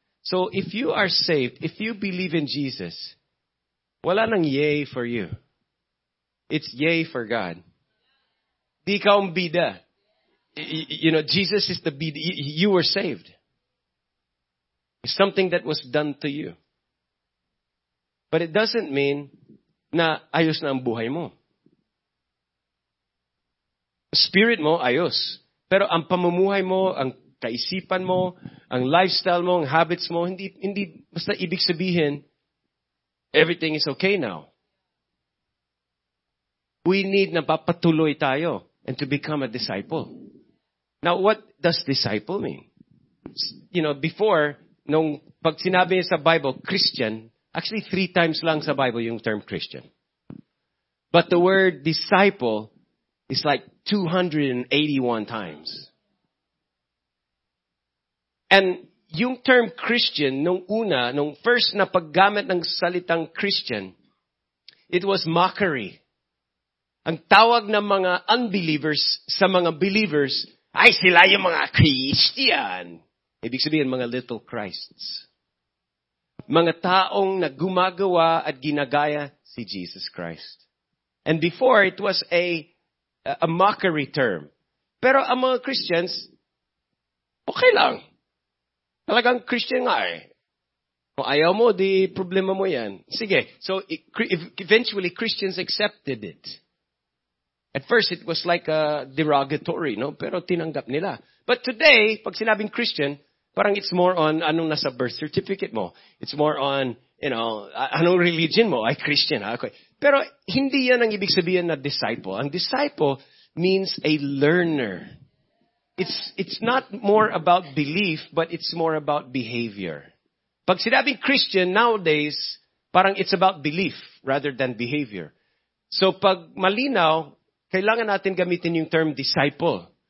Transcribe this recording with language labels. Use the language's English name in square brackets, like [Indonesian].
[English] So if you are saved, if you believe in Jesus, wala nang yay for you. It's yay for God. Di ka ang bida. You know, Jesus is the bida. You were saved. It's something that was done to you. [Filipino] But it doesn't mean na ayos na ang buhay mo. Spirit mo, ayos. Pero ang pamumuhay mo, ang kaisipan mo, ang lifestyle mo, ang habits mo, hindi basta ibig sabihin, everything is okay now. [English] We need na papatuloy tayo and to become a disciple. Now, what does disciple mean? You know, before, nung pag sinabi sa Bible, Christian, actually 3 times lang sa Bible yung term Christian. But the word disciple is like 281 times. [Filipino] And yung term Christian, nung una, nung first na paggamit ng salitang Christian, it was mockery. Ang tawag ng mga unbelievers sa mga believers, ay sila yung mga Christian. Ibig sabihin, mga little Christs. Mga taong na gumagawa at ginagaya si Jesus Christ. [English] And before, it was a mockery term. [Filipino] Pero ang mga Christians, okay lang. Talagang Christian nga eh. Kung ayaw mo, di problema mo yan. Sige. [English] So, eventually, Christians accepted it. At first, it was like a derogatory, no? [Filipino] Pero tinanggap nila. But today, pag sinabing Christian, parang it's more on anong nasa birth certificate mo. [English] It's more on, you know, anong religion mo. Ay, Christian, ha? Okay. [Filipino] Pero hindi yan ang ibig sabihin na disciple. [English] Ang disciple means a learner. It's not more about belief, but it's more about behavior. Pag sinabing Christian nowadays, parang it's about belief rather than behavior. [Filipino] So pag malinaw, kailangan natin gamitin yung term disciple.